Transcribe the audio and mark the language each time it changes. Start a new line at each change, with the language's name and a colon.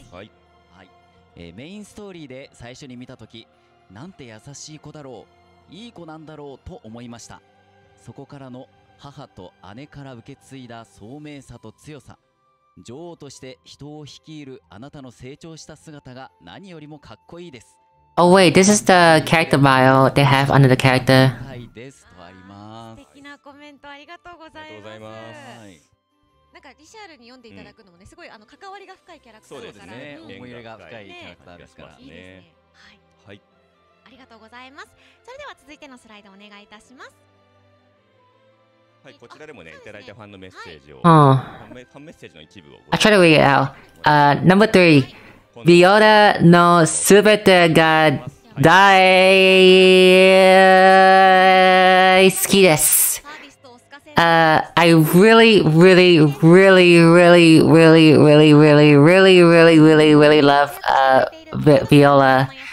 Japanese: はい、メインストーリーで最初に見たとき、なんて優しい子だろう、いい子なんだろうと思いました。そこからの母と姉から受け継いだ聡明さと強さ、女王として人を率いるあなたの成長した姿が何よりもかっこいいです。
English: Oh wait, this is the character bio they have under the character.
Japanese: はい、ですとあります。素敵なコメントありがとうございます。ありがとうございます。はい、なんかリシャールに読んでいただくのもね、うん、すごいあの関わりが深いキャラクターだから、ね、思い入れが深いキャラクターですからね。はい。はい。ありがとうございます。それでは続いてのスライドお願いいたします。はい、こちらでもね、いただいたファンのメッセージを、はい、ファンメッセージの一部を。
English: I try to read it out. Number three.
Japanese: ビオラのすべてが大好きです。
English: I really, really, really, really, really, really, really, really, really, really, really love Viola.